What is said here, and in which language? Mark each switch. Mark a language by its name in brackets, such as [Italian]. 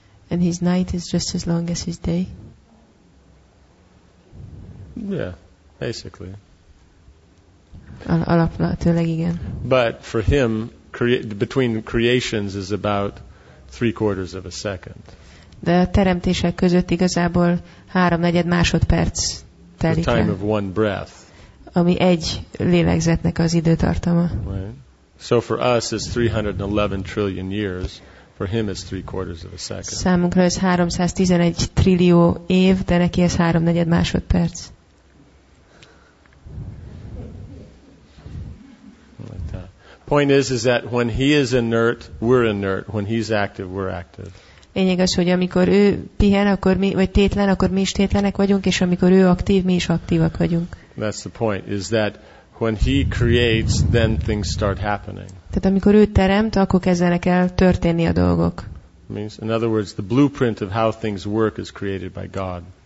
[English] And his night is just as long as his day. Yeah, basically. [Hungarian] Alapvetőleg igen. [English] But for him, between creations is about 3/4 of a second. [Hungarian] De a teremtések között igazából 3/4 másodperc telik el. [English] The time of one breath. [Hungarian] Ami egy lélegzetnek az időtartama. [English] Right. So for us it's 311 trillion years. For him it's 3/4 of a second. [Hungarian] Számunkra ez 311 trillió év, de neki ez 3/4 másodperc. [English] Point is that when he is inert, we're inert. When he's active, we're active. [Hungarian] Lényeg az, hogy amikor ő pihen, akkor mi, vagy tétlen, akkor mi is tétlenek vagyunk, és amikor ő aktív, mi is aktívak vagyunk. [English] That's the point, is that when he creates, then things start happening. [Hungarian] Tehát amikor ő teremt, akkor kezdenek el történni a dolgok. [English] Means, in other words, the blueprint of how things work is created by God.